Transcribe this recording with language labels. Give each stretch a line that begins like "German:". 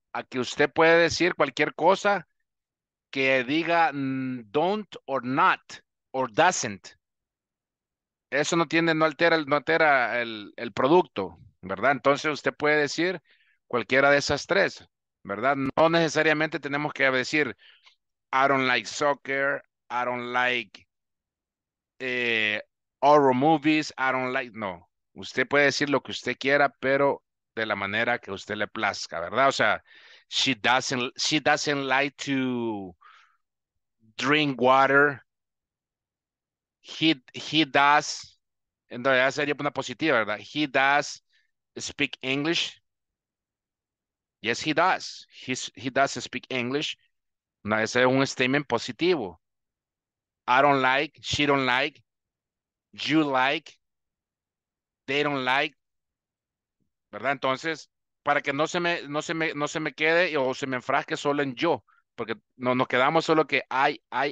Spanish: A que usted puede decir cualquier cosa que diga don't or not or doesn't. Eso no tiene, no altera el producto, ¿verdad? Entonces usted puede decir cualquiera de esas tres, ¿verdad? No necesariamente tenemos que decir
English: I don't like soccer, I don't like horror movies, I don't like, no.
Spanish: Usted puede decir lo que usted quiera, pero de la manera que usted le plazca, ¿verdad? O sea,
English: she doesn't like to drink water. He does,
Spanish: entonces sería una positiva, ¿verdad?
English: He does speak English. Yes, he does. He does speak English.
Spanish: No, ese es un statement positivo.
English: I don't like, she don't like, you like, they don't like, ¿verdad?
Spanish: Entonces, para que no se me quede o se me enfrasque solo en yo, porque nos quedamos solo que I.